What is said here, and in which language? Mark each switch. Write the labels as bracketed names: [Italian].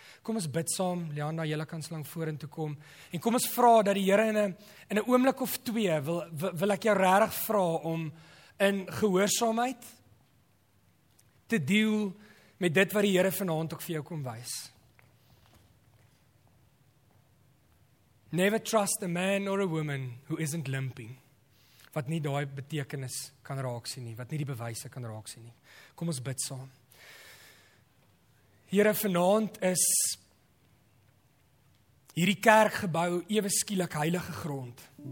[Afrikaans] Kom ons bid saam, Leanda, jy kan so lank vorentoe kom, en kom ons vra dat die Here in 'n oomblik of twee wil ek jou regtig vra om in gehoorsaamheid te deel met dit wat die Here vanaand ook vir jou kom wys. [English] Never trust a man or a woman who isn't limping. [Afrikaans] Wat nie daai betekenis kan raak sien nie, wat nie die bewyse kan raak sien nie. Kom ons bid saam. Here, vanaand is hierdie kerkgebou ewe skielik heilige grond.